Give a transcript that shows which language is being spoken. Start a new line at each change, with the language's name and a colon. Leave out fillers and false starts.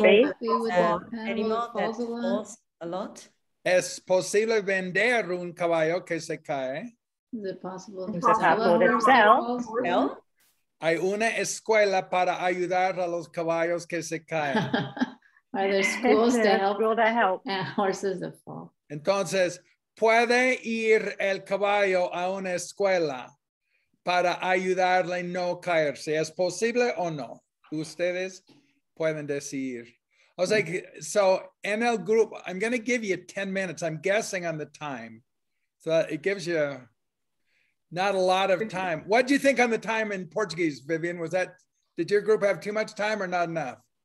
English: Is he happy with an animal that falls a lot?
Spanish: ¿Es posible vender un caballo que se cae?
English: Is it possible to sell?
Spanish: ¿Hay una escuela para ayudar a los caballos que se caen?
English: Are there schools to help horses that fall?
Spanish: Entonces, ¿puede ir el caballo a una escuela para ayudarle a no caerse? ¿Es posible o no? Ustedes pueden decir.
English: I was like, so in el group, I'm going to give you 10 minutes. I'm guessing on the time. So it gives you not a lot of time. What do you think on the time in Portuguese, Vivian? Did your group have too much time or not enough?